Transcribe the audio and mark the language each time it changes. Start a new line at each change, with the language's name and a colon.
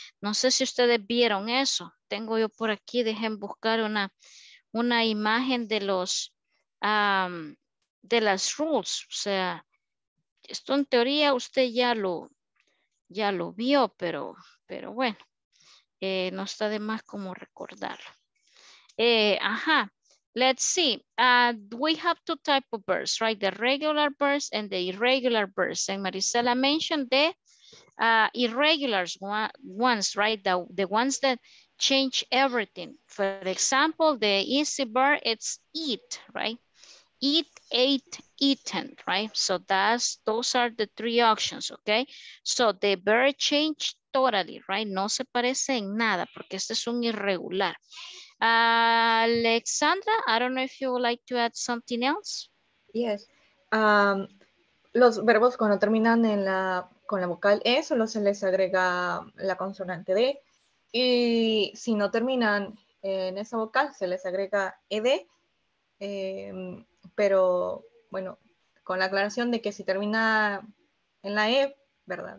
Spanish: No sé si ustedes vieron eso. Tengo yo por aquí, dejen buscar una imagen de los... de las
English: rules,
Spanish: o sea, esto en teoría usted ya lo vio, pero bueno, no está de más como recordarlo.
English: Ajá, let's see, we have two type of verbs, right? The regular verbs and the irregular verbs. And Marisela mentioned the irregular ones, right? The ones that change everything. For example, the easy verb, it's eat, right? Eat, ate, eaten, right? So those are the three options, okay? So the verb change totally, right?
Spanish: No se parece en nada, porque este es un irregular.
English: Alexandra, I don't know if you would like to add something else. Yes.
Spanish: Los verbos cuando terminan en con la vocal E, solo se les agrega la consonante D. Y si no terminan en esa vocal, se les agrega ED. Pero bueno, con la aclaración de que si termina en la E, ¿verdad?